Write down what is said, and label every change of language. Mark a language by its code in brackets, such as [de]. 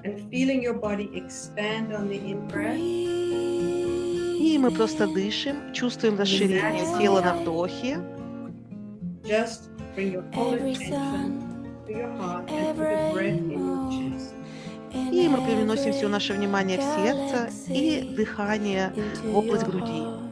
[en] Feeling your body expand on the in-breath. [ru] И мы просто дышим, чувствуем расширение тела на вдохе. [en] Just bring your whole attention to your heart and to the breath in your chest. [ru] И мы переносим все наше внимание в сердце и дыхание в область груди.